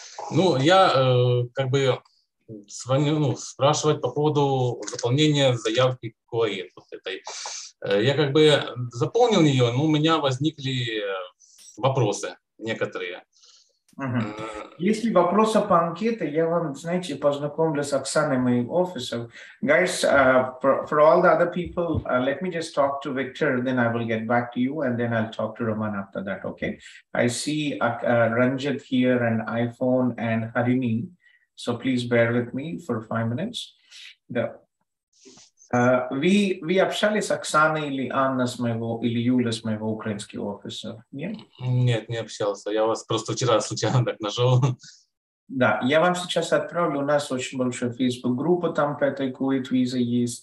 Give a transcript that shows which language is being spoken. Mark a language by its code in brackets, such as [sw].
[ru] Ну, я как бы звоню, ну, спрашивать по поводу заполнения заявки КОЭД. Вот этой. Я как бы заполнил ее, но у меня возникли вопросы некоторые. Угу. Если вопросы по анкете, я вам, знаете, познакомлю с Оксаной, моим офисом. [en] Guys, for all the other people, let me just talk to Victor, then I will get back to you, and then I'll talk to Roman after that, okay? I see Ranjit here, and iPhone, and Harini. So please bear with me for 5 minutes. [ru] Ви общались с Оксаной или Анной, с моего, или Юлей, с моего украинского офиса? Нет? Нет, не общался. Я вас просто вчера случайно так нашел. Да, я вам сейчас отправлю. У нас очень большая Facebook-группа там по этой COVID виза есть.